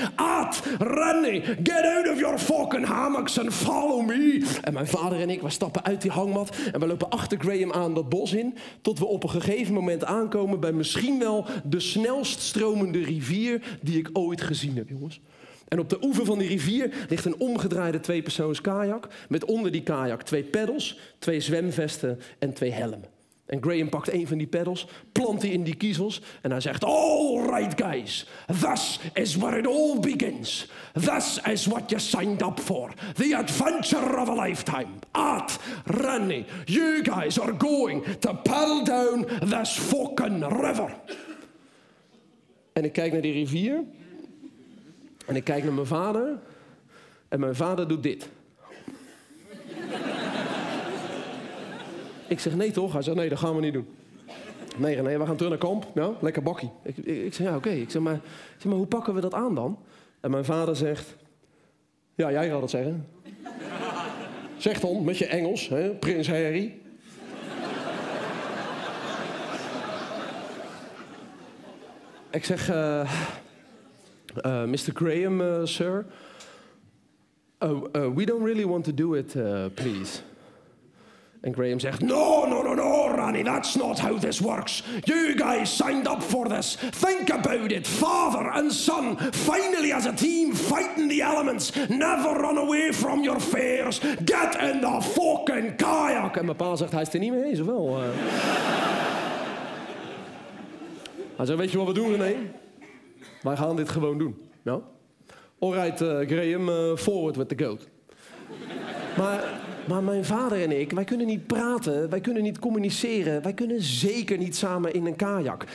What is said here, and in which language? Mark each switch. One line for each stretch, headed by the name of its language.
English: Art, Renny, get out of your fucking hammocks and follow me.
Dutch: En mijn vader en ik, we stappen uit die hangmat en we lopen achter Graham aan dat bos in, tot we op een gegeven moment aankomen bij misschien wel de snelste stromende rivier die ik ooit gezien heb, jongens. En op de oever van die rivier ligt een omgedraaide tweepersoons kajak met onder die kajak twee paddels, twee zwemvesten en twee helmen. En Graham pakt een van die paddels, plant die in die kiezels en hij zegt,
English: all right guys, this is where it all begins. This is what you signed up for. The adventure of a lifetime. Art, Renny, you guys are going to paddle down this fucking river.
Dutch: En ik kijk naar die rivier. En ik kijk naar mijn vader. En mijn vader doet dit. Ik zeg, nee toch? Hij zegt, nee, dat gaan we niet doen. Nee, nee, we gaan terug naar kamp. Ja, lekker bakkie. Ik zeg, ja, oké. Okay. Ik zeg, maar hoe pakken we dat aan dan? En mijn vader zegt, ja, jij gaat het zeggen. Zeg dan, met je Engels, hè, prins Harry. Ik zeg, Mr. Graham, sir.
English: We don't really want to do it, please.
Dutch: En Graham zegt,
English: no, no, no, no, Ronnie, that's not how this works. You guys signed up for this. Think about it. Father and son, finally as a team, fighting the elements. Never run away from your fears. Get in the fucking kayak.
Dutch: En mijn pa zegt, hij is er niet mee eens, of wel? Hij zei, weet je wat we doen, René? Wij gaan dit gewoon doen. Ja?
English: Alright, Graham, forward with the goat.
Dutch: Maar mijn vader en ik, wij kunnen niet praten, wij kunnen niet communiceren, wij kunnen zeker niet samen in een kajak.